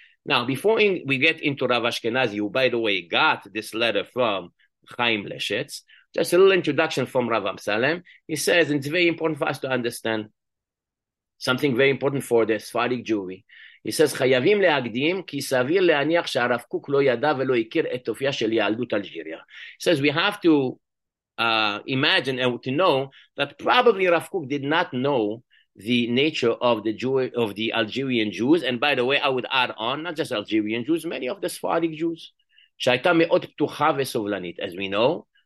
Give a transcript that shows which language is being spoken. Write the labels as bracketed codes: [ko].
[en] Now, before we get into Rav Ashkenazi, who, by the way, got this letter from Chaim Leshetz, just a little introduction from Rav Amsalem. He says, and it's very important for us to understand something very important for the Sephardic Jewry. [he] He says, חייבים להקדים כי סביר להניח שהרב קוק לא ידע ולא הכיר את תופיה של יהדות אלג'יריה. [en] He says, we have to imagine and to know that probably Rav Kook did not know the nature of the Algerian Jews, and by the way, I would add on, not just Algerian Jews, many of the Sephardic Jews, [he] שהייתה מאוד פתוחה וסובלנית, [en] as we know,